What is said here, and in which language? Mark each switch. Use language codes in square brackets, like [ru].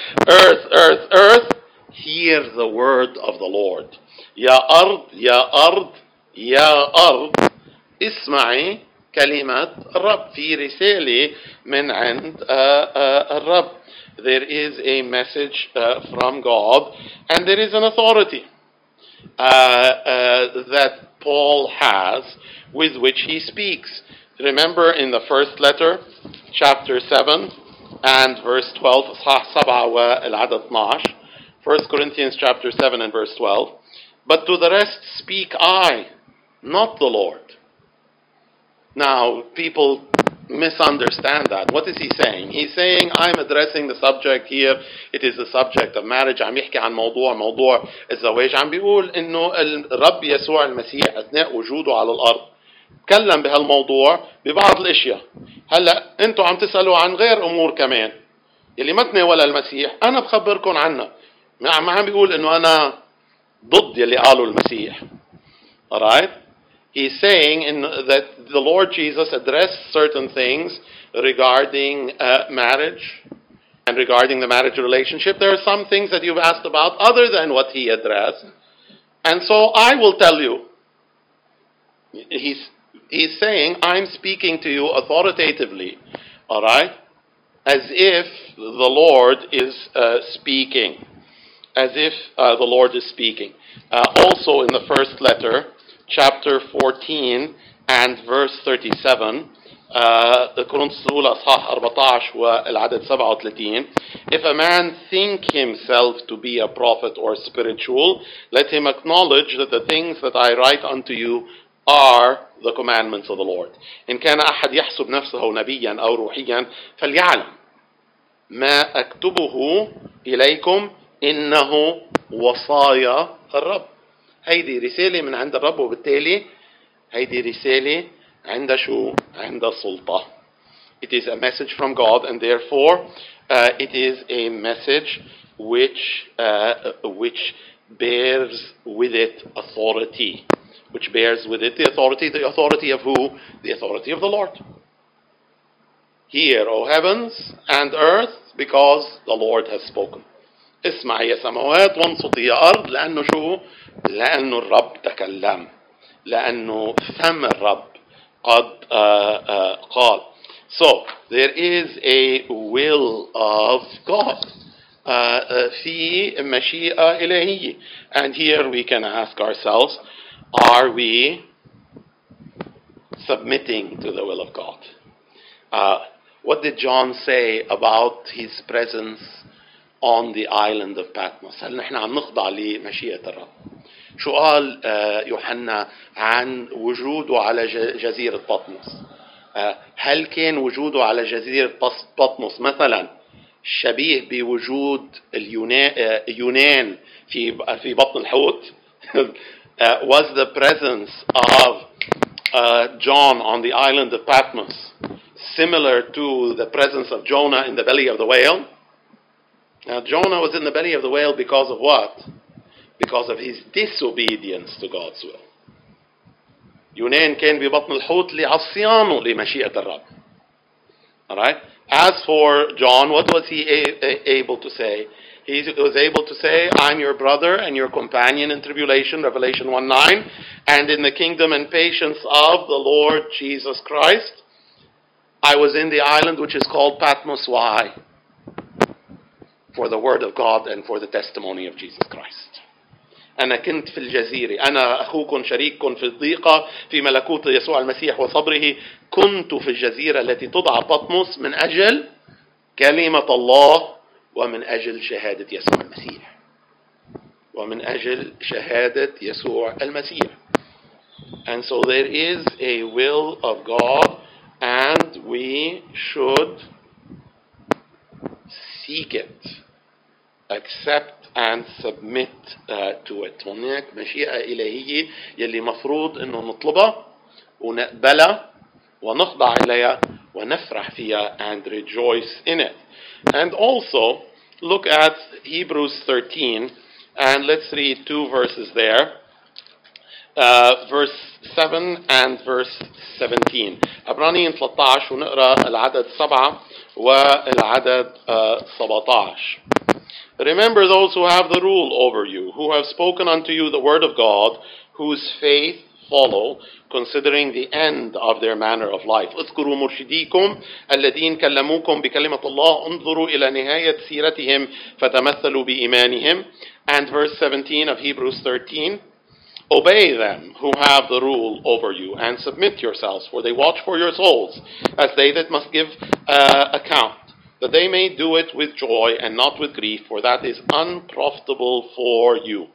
[en] Earth, earth, earth, hear the word of the Lord. [ar] Ya ard, ya ard, ya ard. اسمعي كلمة الرب في رسالة من عند الرب. [en] There is a message from God, and there is an authority that Paul has with which he speaks. Remember in the first letter, chapter 7 and verse 12, [ar] سبعة والعدد 12, [en] 1 Corinthians chapter 7 and verse 12, but to the rest speak I, not the Lord. Now, people misunderstand that. What is he saying? He's saying, I'm addressing the subject here. It is the subject of marriage. [ar] عم يحكي عن موضوع الزواج. عم بيقول إنه الرب يسوع المسيح أثناء وجوده على الأرض تكلم بهالموضوع ببعض الأشياء. هلأ أنتوا عم تسألوا عن غير أمور كمان يلي ما تناول المسيح. أنا بخبركم عنها. ما عم بيقول إنه أنا ضد يلي قاله المسيح. [en] Alright? He's saying in that the Lord Jesus addressed certain things regarding marriage and regarding the marriage relationship. There are some things that you've asked about other than what he addressed. And so I will tell you, he's saying, I'm speaking to you authoritatively, all right? As if the Lord is speaking, as if the Lord is speaking. Also in the first letter, chapter 14 and verse 37, [ar] الأصحاح 14 والعدد 37, [en] if a man think himself to be a prophet or spiritual, let him acknowledge that the things that I write unto you are the commandments of the Lord. [ar] إن كان أحد يحسب نفسه نبيا أو روحيا فليعلم ما أكتبه إليكم إنه وصايا الرب. هيدي رسالة من عند الرب وبالتالي هيدي رسالة عند شو؟ عند السلطة. [en] It is a message from God and therefore it is a message which bears with it authority. Which bears with it the authority of who? The authority of the Lord. Hear, O heavens and earth, because the Lord has spoken. [ar] اسمع يا سماوات وانصت يا أرض لأنه شو؟ لأنه الرب تكلم، لأنه فم الرب قد قال. [en] So there is a will of God [ar] في مشيئة إلهية. [en] And here we can ask ourselves, are we submitting to the will of God? What did John say about his presence on the island of Patmos? [ar] هل نحن عم نخضع لمشيئة الرب؟ شو قال يوحنا عن وجوده على جزيرة بطمس؟ هل كان وجوده على جزيرة بطمس مثلا شبيه بوجود اليونان في بطن الحوت؟ [en] Was the presence of John on the island of Patmos similar to the presence of Jonah in the belly of the whale? Now Jonah was in the belly of the whale because of what? Because of his disobedience to God's will. [ar] يونان كان ببطن الحوت لعصيانه لمشيئة الرب. [en] Alright? As for John, what was he able to say? He was able to say, I'm your brother and your companion in tribulation, Revelation 1:9, and in the kingdom and patience of the Lord Jesus Christ, I was in the island which is called Patmos. Why? For the word of God and for the testimony of Jesus Christ. [ar] أنا كنت في الجزيرة، أنا أخوكم شريككم في الضيقة في ملكوت يسوع المسيح وصبره، كنت في الجزيرة التي تضع بطمس من أجل كلمة الله ومن أجل شهادة يسوع المسيح ومن أجل شهادة يسوع المسيح. [en] And so there is a will of God and we should seek it, accept and submit to it. [ar] هناك مشيئة إلهية يلي مفروض إنه نطلبها ونقبلها ونخضع إليها ونفرح فيها [en] and rejoice in it. And also look at Hebrews 13 and let's read two verses there. Verse 7 and verse 17. [ar] عبرانيين 13 ونقرأ العدد 7 والعدد 17. [en] Remember those who have the rule over you, who have spoken unto you the word of God, whose faith follow, considering the end of their manner of life. [ar] اذكروا مرشديكم الذين كلموكم بكلمة الله انظروا إلى نهاية سيرتهم فتمثلوا بإيمانهم. [en] And verse 17 of Hebrews 13. Obey them who have the rule over you, and submit yourselves, for they watch for your souls, as they that must give account, that they may do it with joy and not with grief, for that is unprofitable for you.